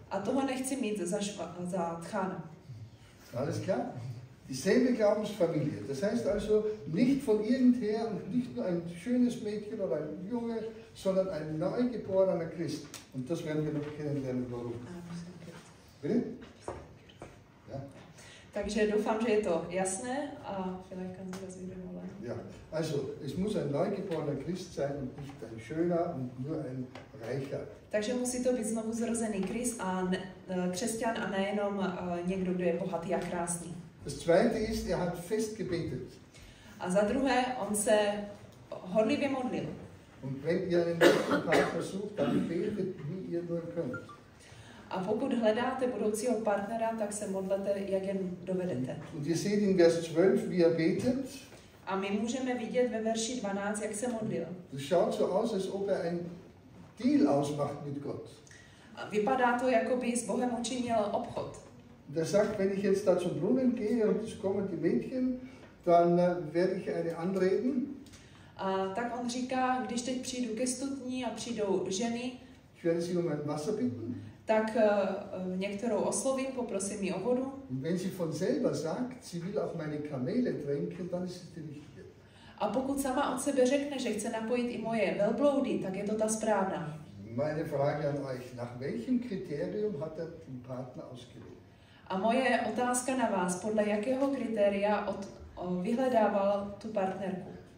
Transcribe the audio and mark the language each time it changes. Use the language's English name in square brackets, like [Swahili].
[Czech] A toho nechci mít za tchána. [German] Alles klar? Dieselbe Glaubensfamilie. Das heißt also, nicht von irgendher und nicht nur ein schönes Mädchen oder ein Junge, sondern ein neugeborener Christ. Und das werden wir noch kennenlernen, warum. Bitte? [Czech] Ja. Takže doufám, že je to jasné. [German] A vielleicht kannst du das wiederholen. Ja, also, es muss ein neugeborener Christ sein und nicht ein schöner und nur ein reicher. [Czech] Takže musí to být znovu zrozený Christ a křesťan a nejenom někdo, kdo je bohatý a krásný. [German] Das zweite ist, er hat fest gebetet. [Czech] A za druhé, on se horlivě modlil. [German] Und wenn ihr einen nächsten Partner sucht, dann betet, wie ihr nur könnt. [Czech] A pokud hledáte budoucího partnera, tak se modlete, jak jen dovedete. [German] Und ihr seht in Vers 12, wie er betet. [Czech] A my můžeme vidět ve verši 12, jak se modlil. [German] Das schaut so aus, als ob er einen Deal ausmacht mit Gott. [Czech] A vypadá to, jako by s Bohem učinil obchod. [German] Und er sagt, wenn ich jetzt da zum Brunnen gehe und es kommen die Mädchen, dann werde ich eine anreden. [Czech] A tak on říká, když teď přijdu ke studni a přijdou ženy, [German] ich werde sie um ein Wasser bitten. [Czech] Tak některou oslovím, poprosím ji o vodu. [German] Und wenn sie von selber sagt, sie will auf meine Kamele trinken, dann ist es die richtige. [Czech] A pokud sama od sebe řekne, že chce napojit i moje velbloudy, tak je to ta správná. [German] Meine Frage an euch, nach welchem Kriterium hat er den Partner ausgewählt? [Czech] A moje otázka na vás, podle jakého kritéria vyhledával tu partnerku?